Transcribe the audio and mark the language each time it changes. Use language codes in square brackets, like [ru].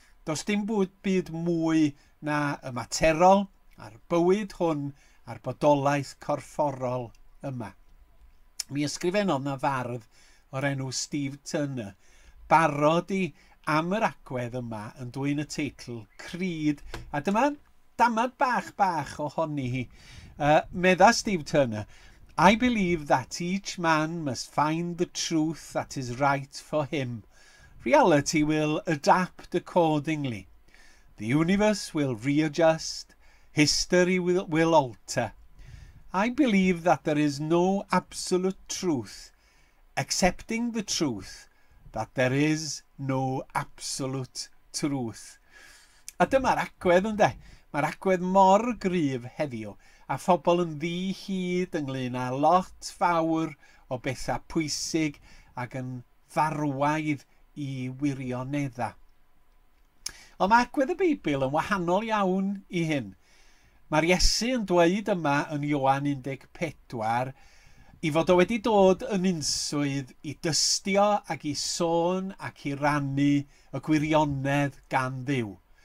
[cy] Does dim byd mwy na y materol, a'r bywyd hwn, a'r bodolaeth corfforol yma. Mi ysgrifennodd na fardd o'r enw Steve Turner, barod i am yr agwedd yma yn dwy'n y teitl Creed, a dyma damad bach ohoni hi. Medda [en] Steve Turner, I believe that each man must find the truth that is right for him. Reality will adapt accordingly. The universe will readjust. History will alter. I believe that there is no absolute truth, excepting the truth that there is no absolute truth. [cy] A dyma'r agwedd ynde. Mae'r agwedd mor gryf heddiw, a phobl yn ddi hyd ynglyn â lot fawr o bethau pwysig ac yn farwaidd i wirioneddau. Ond mae agwedd y Beibl yn wahanol iawn i hyn. Mae'r Iesu yn dweud yma yn Ioan 14 i fod o wedi dod yn unswydd i dystio ac i sôn ac i rannu y gwirionedd gan Dduw.